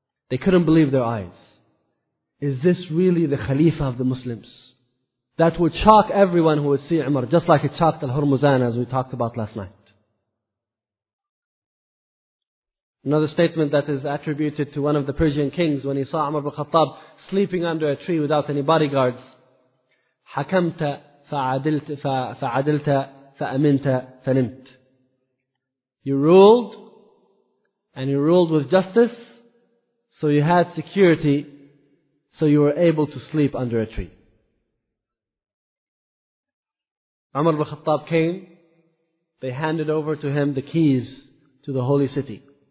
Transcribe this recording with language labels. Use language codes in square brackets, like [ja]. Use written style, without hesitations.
[en] They couldn't believe their eyes. Is this really the Khalifa of the Muslims? That would shock everyone who would see Umar, just like it shocked Al-Hurmuzan, as we talked about last night. Another statement that is attributed to one of the Persian kings, when he saw Umar ibn Khattab sleeping under a tree without any bodyguards, [ar] حكمت فعدلت فعدلت فأمنت فنمت. [en] You ruled and you ruled with justice, so you had security, so you were able to sleep under a tree. Umar ibn Khattab came, they handed over to him the keys to the holy city.